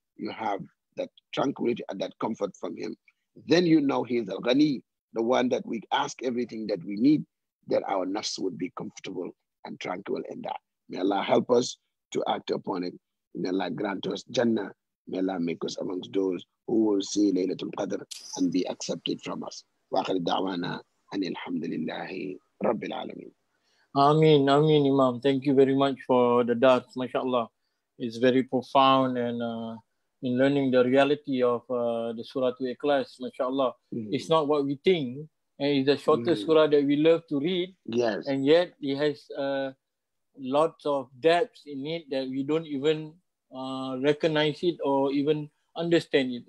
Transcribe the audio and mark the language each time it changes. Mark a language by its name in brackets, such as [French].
[English] You have that tranquility and that comfort from him. Then you know he is al-ghani, the one that we ask everything that we need, that our nafs would be comfortable and tranquil in that. May Allah help us to act upon it. May Allah grant us Jannah. May Allah make us amongst those who will see Laylatul Qadr and be accepted from us. [Arabic] وآخر دعوانا أن الحمد لله رب العالمين. [English] Amin, Amin, Imam. Thank you very much for the dars. MashaAllah. It's very profound and in learning the reality of the Surah to Ikhlas, MashaAllah. Mm-hmm. It's not what we think. And it's the shortest mm-hmm. surah that we love to read. Yes. And yet it has lots of depths in it that we don't even recognize it or even understand it.